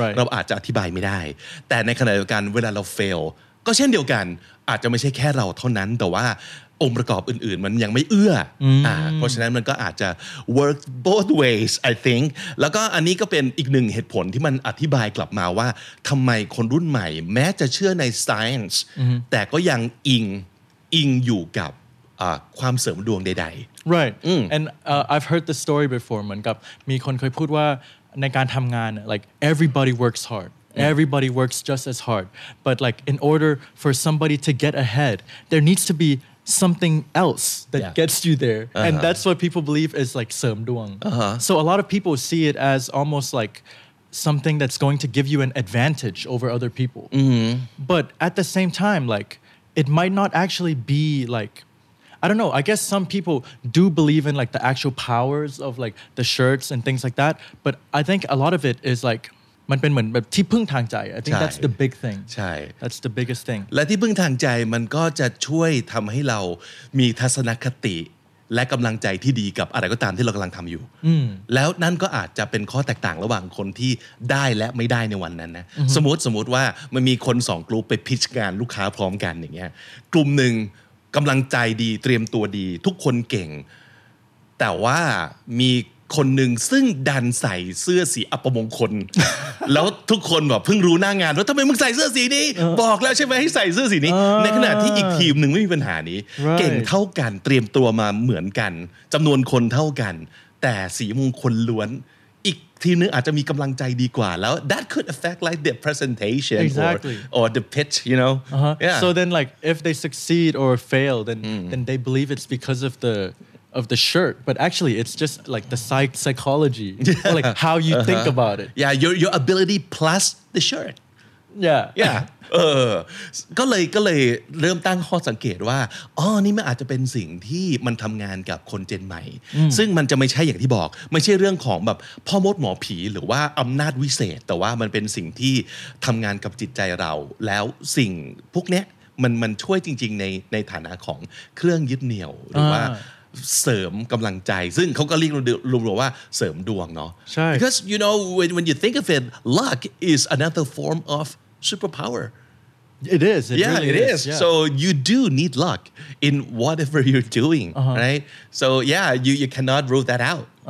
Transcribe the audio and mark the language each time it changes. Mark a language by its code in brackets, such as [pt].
[th] เราอาจจะอธิบายไม่ได้แต่ในขณะเดียวกันเวลาเรา fail ก็เช่นเดียวกันอาจจะไม่ใช่แค่เราเท่านั้นแต่ว่าองค์ประกอบอื่นๆมันยังไม่เอื้อเพราะฉะนั้นมันก็อาจจะ [en] work both ways I think [th] แล้วก็อันนี้ก็เป็นอีกหนึ่งเหตุผลที่มันอธิบายกลับมาว่าทำไมคนรุ่นใหม่แม้จะเชื่อใน science แต่ก็ยังอิงอยู่กับความเสริมดวงใด [en] ๆ right and I've heard the story before [th] เหมือนกับมีคนเคยพูดว่าในการทำงาน [en] like everybody works hardEverybody works just as hard. But like in order for somebody to get ahead, there needs to be something else that gets you there. Uh-huh. And that's what people believe is like เสริมดวง. So a lot of people see it as almost like something that's going to give you an advantage over other people. But at the same time, like it might not actually be like... I don't know. I guess some people do believe in like the actual powers of like the shirts and things like that. But I think a lot of it is like... [th] มันเป็นเหมือนแบบที่พึ่งทางใจ [en] I think that's the big thing [th] ใช่ [en] that's the biggest thing [th] และที่พึ่งทางใจมันก็จะช่วยทำให้เรามีทัศนคติและกำลังใจที่ดีกับอะไรก็ตามที่เรากำลังทำอยู่ แล้วนั่นก็อาจจะเป็นข้อแตกต่างระหว่างคนที่ได้และไม่ได้ในวันนั้นนะสมมติว่ามันมีคนสองกลุ่มไปพิชงานลูกค้าพร้อมกันอย่างเงี้ยกลุ่มนึงกำลังใจดีเตรียมตัวดีทุกคนเก่งแต่ว่ามีคนหนึ่งซึ่งดันใส่เสื้อสีอัปมงคลแล้วทุกคนแบบเพิ่งรู้หน้างานว่าทำไมมึงใส่เสื้อสีนี้บอกแล้วใช่ไหมให้ใส่เสื้อสีนี้ ในขณะที่อีกทีมหนึ่งไม่มีปัญหานี้ [en] right. [th] เก่งเท่ากันเตรียมตัวมาเหมือนกันจำนวนคนเท่ากันแต่สีมงคลล้วนอีกทีมนึงอาจจะมีกำลังใจดีกว่าแล้ว [en] that could affect like the presentation exactly. or the pitch you know uh-huh. yeah. so then like if they succeed or fail then they believe it's because of the shirt but actually it's just like the psychology like how you think about it yeah your ability plus the shirt Yeah. [th] ก็เลยเริ่มตั้งข้อสังเกตว่าอ๋อนี่มันอาจจะเป็นสิ่งที่มันทำงานกับคนเจนใหม่ ซึ่งมันจะไม่ใช่อย่างที่บอกไม่ใช่เรื่องของแบบพ่อมดหมอผีหรือว่าอำนาจวิเศษแต่ว่ามันเป็นสิ่งที่ทำงานกับจิตใจเราแล้วสิ่งพวกเนี้ยมันช่วยจริงๆในฐานะของเครื่องยึดเหนี่ยวหรือว่าเสริมกำลังใจซึ่งเขาก็เรียกรวมๆว่าเสริมดวงเนาะ [en] because you know when you think of it luck is another form of superpower it is it yeah really it is yeah. so you do need luck in whatever you're doing right so yeah you cannot rule that out